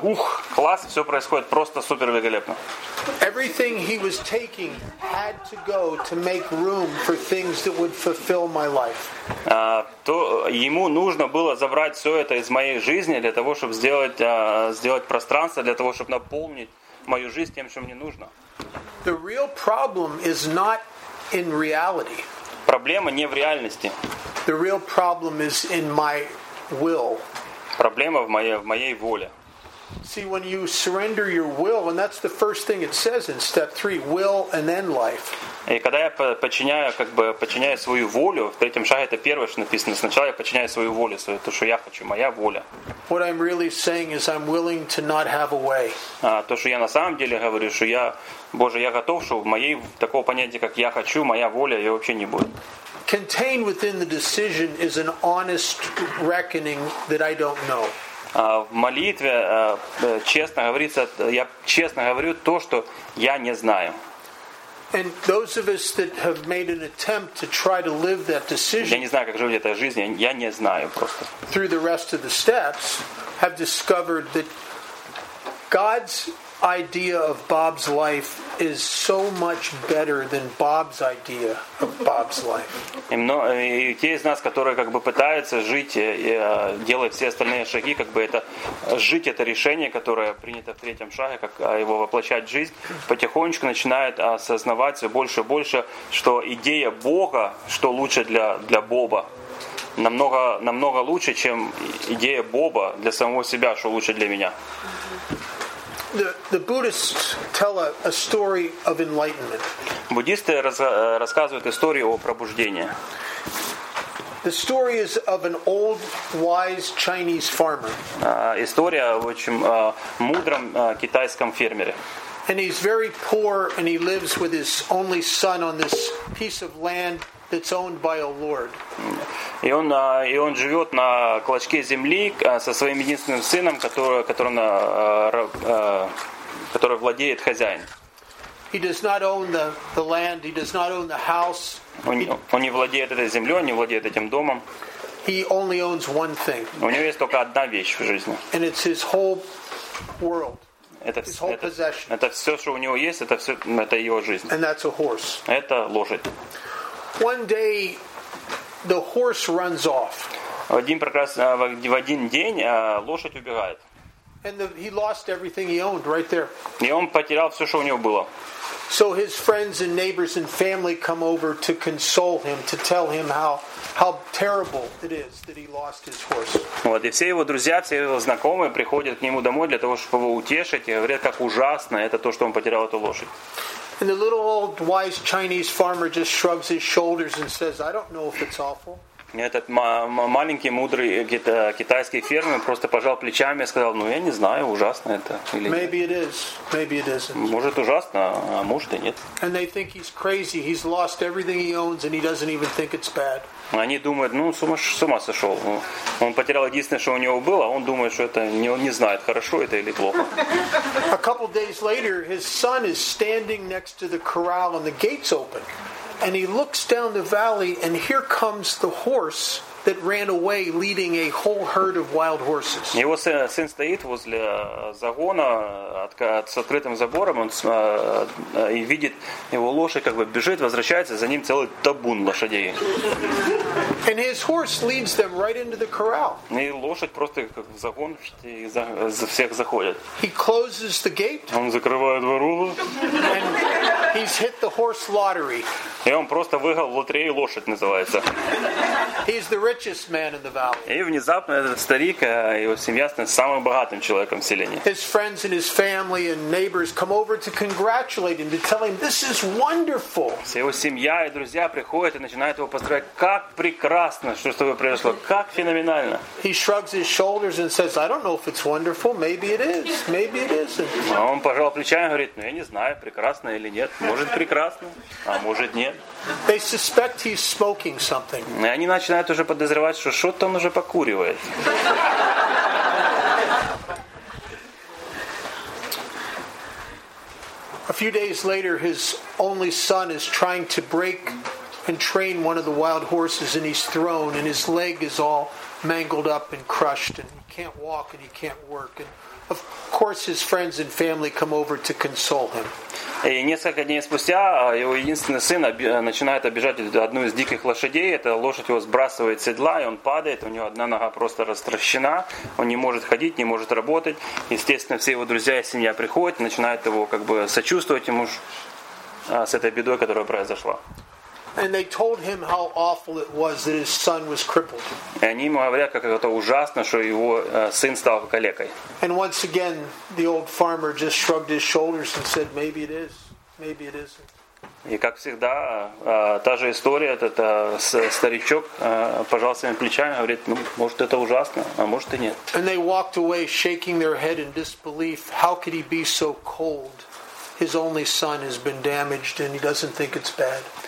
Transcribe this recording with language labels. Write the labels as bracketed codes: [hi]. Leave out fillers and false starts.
[ru] Ух, класс, все происходит просто супер великолепно. [en] Everything he was taking had to go to make room for things that would fulfill my life. [ru] То ему нужно было забрать все это из моей жизни для того, чтобы сделать пространство для того, чтобы наполнить мою жизнь тем, что мне нужно. [en] The real problem is not in reality. [ru] Проблема не в реальности. [en] The real problem is in my will. [ru] Проблема в моей воле. [en] See, when you surrender your will, and that's the first thing it says in step 3, will and then life. [ru] И когда я подчиняю свою волю, в третьем шаге это первое, что написано. Сначала я подчиняю свою волю, то, что я хочу, моя воля. [en] What I'm really saying is I'm willing to not have a way. [ru] То, что я на самом деле говорю, что я, Боже, я готов, что в моей, такого понятия, как я хочу, моя воля, ее вообще не будет. [en] Contained within the decision is an honest reckoning that I don't know. [ru] В молитве честно говорится, я честно говорю то, что я не знаю. [en] And those of us that have made an attempt to try to live that decision, [ru] я не знаю, как жить этой жизнью, я не знаю просто. [en] Through the rest of the steps, have discovered that God's idea of Bob's life is so much better than Bob's idea of Bob's life. [ru] И те из нас, которые как бы пытаются жить и делать все остальные шаги, как бы это жить это решение, которое принято в третьем шаге, как его воплощать в жизнь, потихонечку начинают осознавать все больше и больше, что идея Бога, что лучше для Боба, намного намного лучше, чем идея Боба для самого себя, что лучше для меня. [en] the Buddhists tell a story of enlightenment. [ru] Буддисты рассказывают историю о пробуждении. [en] The story is of an old, wise Chinese farmer. [ru] История о очень мудром китайском фермере. [en] And he's very poor, and he lives with his only son on this piece of land that's owned by a lord. [ru] И он живет на клочке земли со своим единственным сыном, который владеет хозяин. [en] He does not own the land. He does not own the house. [ru] Он не владеет этой землей, он не владеет этим домом. [en] He only owns one thing. [ru] У него есть только одна вещь в жизни. [en] And it's his whole world. [ru] Это все, что у него есть, это его жизнь. [en] And that's a horse. [ru] Это лошадь. [en] One day, the horse runs off. [ru] В один день лошадь убегает. [en] And he lost everything he owned right there. [ru] И он потерял все, что у него было. [en] So his friends and neighbors and family come over to console him, to tell him how terrible it is that he lost his horse. [ru] Вот, и все его друзья, все его знакомые приходят к нему домой для того, чтобы его утешить, и говорят, как ужасно это то, что он потерял эту лошадь. [en] And the little old wise Chinese farmer just shrugs his shoulders and says, I don't know if it's awful. [ru] Этот маленький мудрый китайский фермер просто пожал плечами и сказал, ну я не знаю, ужасно это или нет. [en] Maybe it is, maybe it isn't. [ru] Может ужасно, а может и нет. [en] And they think he's crazy, he's lost everything he owns and he doesn't even think it's bad. [ru] Они думают, ну с ума сошел. Он потерял единственное, что у него было, он думает, что это не знает, хорошо это или плохо. [en] A couple days later, his son is standing next to the corral and the gates open. And he looks down the valley, and here comes the horse that ran away, leading a whole herd of wild horses. [ru] Его сын стоит возле загона с открытым забором, он и видит его лошадь, как бы бежит, возвращается, за ним целый табун лошадей. [en] And his horse leads them right into the corral. [ru] И лошадь просто как в загон за всех заходит. [en] He closes the gate. [ru] Он закрывает ворота. [en] And he's hit the horse lottery. [ru] И он просто выиграл лотерею лошадь называется. [en] He's the richest man in the valley. [ru] И внезапно этот старик, его семья становится самым богатым человеком в селении. [en] His friends and his family and neighbors come over to congratulate him, to tell him this is wonderful. [ru] Вся его семья и друзья приходят и начинают его поздравлять, как прекрасно, что с тобой произошло, как феноменально. [en] He shrugs his shoulders and says, I don't know if it's wonderful, maybe it is, maybe it isn't. [ru] А он пожал плечами и говорит, ну я не знаю, прекрасно или нет, может прекрасно, а может нет. [en] They suspect he's smoking something. [ru] И они начинают уже подозревать, что что-то он уже покуривает. [en] A few days later, his only son is trying to break and train one of the wild horses, and he's thrown, and his leg is all mangled up and crushed, and he can't walk and he can't work. And of course, his friends and family come over to console him. [ru] И несколько дней спустя его единственный сын начинает обижать одну из диких лошадей. Эта лошадь его сбрасывает с седла, и он падает. У него одна нога просто растрощена. Он не может ходить, не может работать. Естественно, все его друзья и семья приходят, начинают его как бы сочувствовать ему с этой бедой, которая произошла. [en] And they told him how awful it was that his son was crippled. [ru] И они ему говорят, как это ужасно, что его сын стал калекой. [en] And once again, the old farmer just shrugged his shoulders and said, "Maybe it is, maybe it isn't." [ru] И как всегда, та же история. Этот старичок пожал своими плечами и говорит, ну, может это ужасно, а может и нет. [en] And they walked away, shaking their head in disbelief. How could he be so cold? His only son has been damaged, and he doesn't think it's bad.